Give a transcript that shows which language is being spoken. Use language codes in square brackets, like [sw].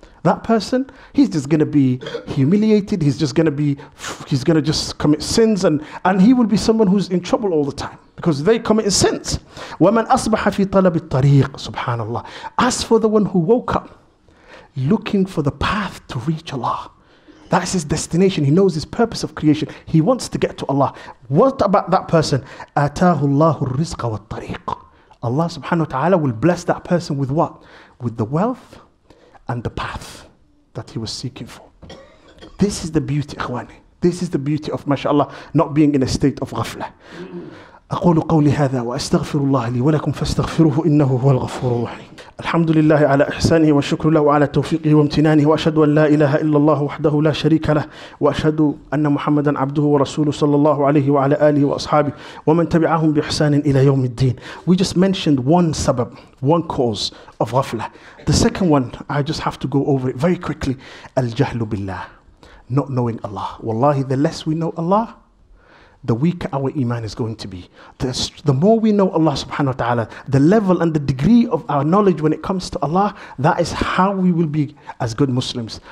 [en] that person, he's just going to be humiliated. He's just going to be, he's going to just commit sins, and he will be someone who's in trouble all the time because they commit sins. [ar] وَمَنْ أَصْبَحَ فِي طَلَبِ الطَّرِيقِ سُبْحَانَ اللَّهِ. [en] As for the one who woke up looking for the path to reach Allah, that is his destination. He knows his purpose of creation. He wants to get to Allah. What about that person? [ar] أَتَاهُ اللَّهُ الرِّزْقَ وَالطَّرِيقِ. [en] Allah subhanahu wa ta'ala will bless that person with what? With the wealth and the path that he was seeking for. This is the beauty, ikhwani. This is the beauty of, mashallah, not being in a state of ghafla. [ar] أقول قولي هذا وأستغفر الله لي ولكم فاستغفروه إنه هو الغفور الرحيم. الحمد لله على إحسانه والشكر له على توفيقه وامتنانه وأشهد أن لا إله إلا الله وحده لا شريك له وأشهد أن محمدا عبده ورسوله صلى الله عليه وعلى آله وأصحابه ومن تبعهم بإحسان إلى يوم الدين. [en] We just mentioned one سبب, one cause of غفلة. The second one, I just have to go over it very quickly. [ar] الجهل بالله, [en] not knowing Allah. والله, the less we know Allah, the weaker our iman is going to be. The more we know Allah subhanahu wa ta'ala, the level and the degree of our knowledge when it comes to Allah, that is how we will be as good Muslims.